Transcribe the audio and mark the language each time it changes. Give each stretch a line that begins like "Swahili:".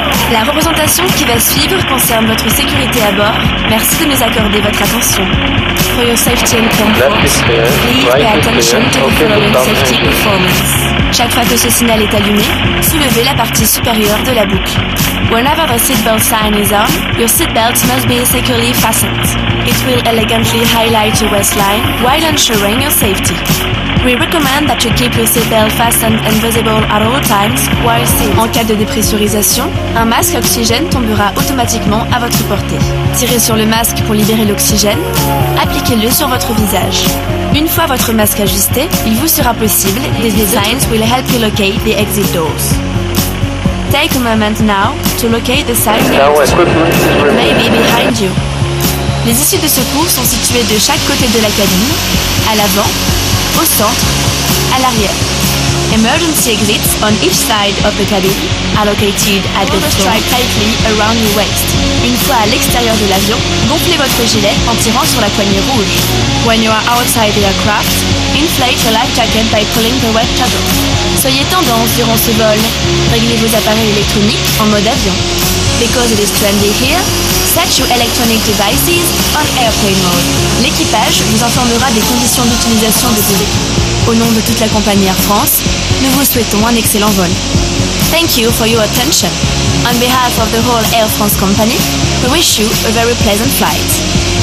French: La représentation qui va suivre concerne votre sécurité à bord. Merci de nous accorder votre attention.
English: For your safety and comfort, please pay attention to the following safety performance.
French: Chaque fois que ce signal est allumé, soulevez la partie supérieure de la boucle.
English: Whenever the seatbelt sign is on, your seatbelt must be securely fastened. It will elegantly highlight your waistline while ensuring your safety. We recommend that you keep your seatbelt fastened and visible at all times while sitting.
French: En cas de dépressurisation, un masque à oxygène tombera automatiquement à votre portée. Tirez sur le masque pour libérer l'oxygène. Appliquez-le sur votre visage. Une fois votre masque ajusté, il vous sera possible.
English: The designs will help you locate the exit doors. Take a moment now to locate the sign that may be behind you.
French: Les issues de secours sont situées de chaque côté de la cabine, à l'avant, au centre, à l'arrière.
English: Emergency exits on each side of the cabin are located at the front. Strap tightly around your waist.
French: Une fois à l'extérieur de l'avion, gonflez votre gilet en tirant sur la poignée rouge.
English: When you are outside the aircraft, inflate your life jacket by pulling the wet toggle.
French: Soyez tendance durant ce vol. Réglez vos appareils électroniques en mode avion.
English: Because it is trendy here, set your electronic devices on airplane mode.
French: L'équipage vous informera des conditions d'utilisation de vos équipements. Au nom de toute la compagnie Air France, nous vous souhaitons un excellent vol.
English: Thank you for your attention. On behalf of the whole Air France company, we wish you a very pleasant flight.